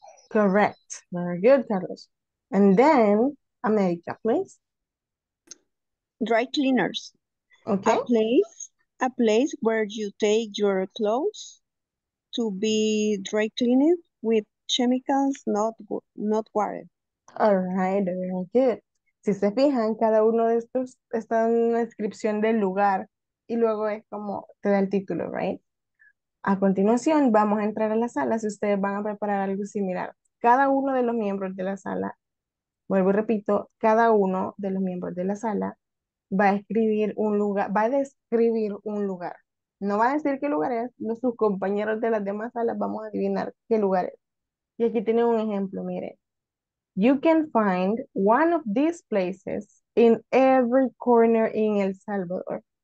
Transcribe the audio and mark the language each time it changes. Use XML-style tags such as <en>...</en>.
<en>Correct. Very good, Carlos. And then, America, please. Dry cleaners. Okay. A place where you take your clothes to be dry cleaned with chemicals, not water. All right, very good.</en> <es>Si se fijan, cada uno de estos está en una descripción del lugar y luego es como te da el título, right? A continuación, vamos a entrar a la sala si ustedes van a preparar algo similar. Cada uno de los miembros de la sala, vuelvo y repito, cada uno de los miembros de la sala va a escribir un lugar, va a describir un lugar. No va a decir qué lugar es, no, sus compañeros de las demás salas vamos a adivinar qué lugar es. Y aquí tienen un ejemplo, miren.</es> <en>You can find one of these places in every corner in El Salvador.</en>